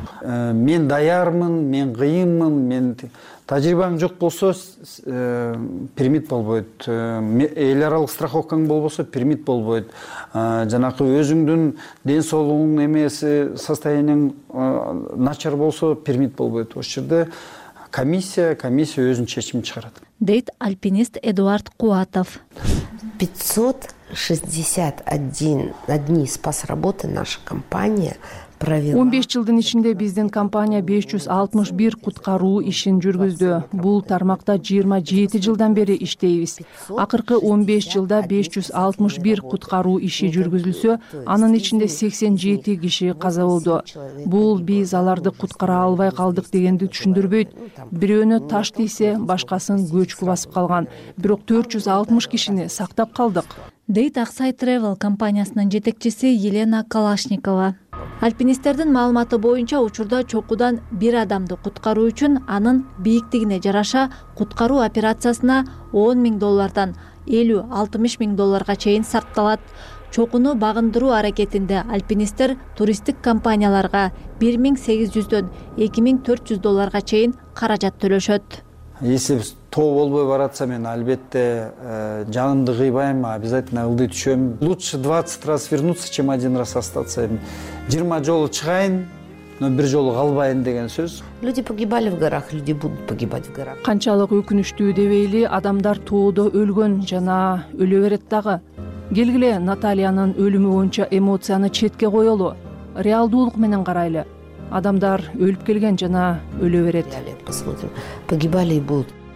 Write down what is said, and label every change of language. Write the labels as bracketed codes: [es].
[ky] Мен даярмын, мен кыйынмын, мен тажрыйбам жок болсо пермит болбойт. Эл аралык страховкаң болбосо пермит болбойт. Жанакы өзүңдүн ден соолугуң эмеси состояниең начар болсо пермит болбойт. Ошол жерде комиссия өзүн чечим чыгарат. Дейт альпинист Эдуард Куатов. [ru] 561 дни спас работы наша компания провела. [ky] 15 жылдын ичинде биздин компания 561 куткаруу ишин жүргүздү. Бул тармакта 27 жылдан бери иштейбиз. Акыркы 15 жылда 561 куткаруу иши жүргүзүлсө, анын ичинде 87 киши каза болду. Бул биз аларды куткара албай калдык дегенди түшүндүрбөйт. Бирөөнө таш тийсе, башкасын көчкү басып калган. Бирок 460 кишини сактап калдык. Дейт Аксай Тревел компаниясынын жетекчиси Елена Калашникова. Альпинисттердин маалыматы боюнча учурда чокудан бир адамды куткаруу үчүн анын бийиктигине жараша куткаруу операциясына 10,000 доллардан 50-60,000 долларга чейин сакталат. Чокуну багындыруу аракетинде альпинисттер туристтик компанияларга 1,800-дөн 2,400 долларга чейин каражат төлөшөт. Если тоо болбой баратса мен албетте жанымды кыйбайм, обязательно ылдый түшөм. [ru] Лучше 20 раз вернуться, чем один раз остаться. [ky] 20 жолу чыгайын, но бир жолу калбайын деген сөз. [ru] Люди погибали в горах, люди будут погибать в горах. [ky] Канчалык өкүнүчтүү дебейли, адамдар тоодо өлгөн жана өлө берет дагы. Келгиле Натальянын өлүмү боюнча эмоцияны четке коёлу. Реалдуулук менен карайлы. Адамдар өлүп келген жана өлө берет. [ru] Погибали и будут.